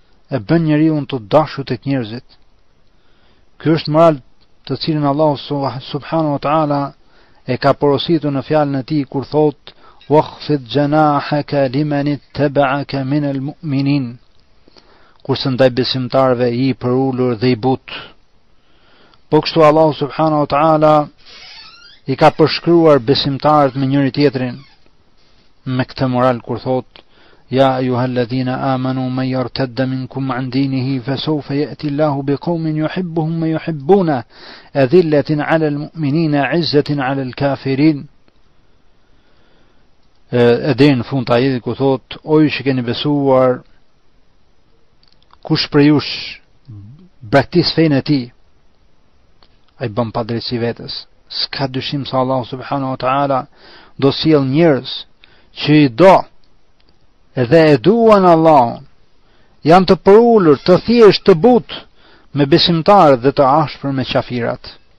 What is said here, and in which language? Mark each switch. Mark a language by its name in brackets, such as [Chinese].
[Albanian] E bën njeriu të dashur tek njerëzit. Ky është moral të cilin Allahu subhanahu wa taala e ka porositur në fjalën e tij kur thotë: [Arabic] "Wakhfid janahaka liman ittaba'aka min al-mu'minin." [Albanian] Kurse ndaj besimtarve i përulur dhe i but. Po kështu Allahu subhanahu wa ta'ala i ka përshkruar besimtarët me njëri tjetrin me këtë moral kur thotë: [Arabic] يا أيها الذين آمنوا من يرتد منكم عن دينه فسوف يأتي الله بقوم يحبهم ويحبونه أذلة على المؤمنين عزة على الكافرين [Albanian] Edhe në fund të ajetit ku thot, o ju që keni besuar, kush për jush braktis fejnë e ti, a i bën padrejtësi vetës. Ska dyshim se Allah subhanahu wa ta'ala do sjell njerëz që i do edhe e duan Allahun, janë të përulur, të thjesht, të but, me besimtarë dhe të ashpër me qafirat.